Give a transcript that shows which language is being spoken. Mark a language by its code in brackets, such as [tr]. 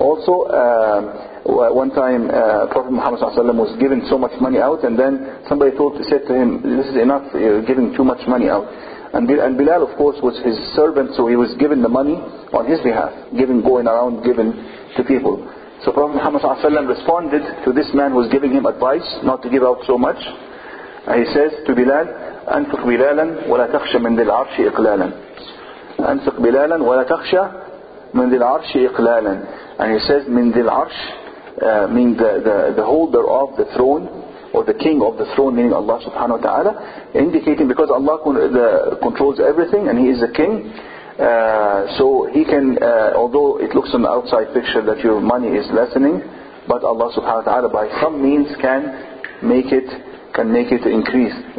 [en] Also, one time Prophet Muhammad sallallahu alayhi wa sallam was giving so much money out, and then somebody said to him, this is enough, you're giving too much money out. And Bilal of course was his servant, so he was giving the money on his behalf, giving, going around giving to people. So Prophet Muhammad sallallahu alayhi wa sallam responded to this man who was giving him advice not to give out so much. And he says to Bilal, [ar] أنفق بلالا ولا تخشى من ذي العرش إقلالا. أنفق بلالا ولا تخشى من ذي العرش إقلالا. [en] And he says [ar] من ذي العرش [en] mean the holder of the throne, or the king of the throne, meaning Allah subhanahu wa ta'ala, indicating because Allah controls everything and he is the king. So he can, although it looks on the outside picture that your money is lessening, but Allah subhanahu wa ta'ala by some means can make it increase.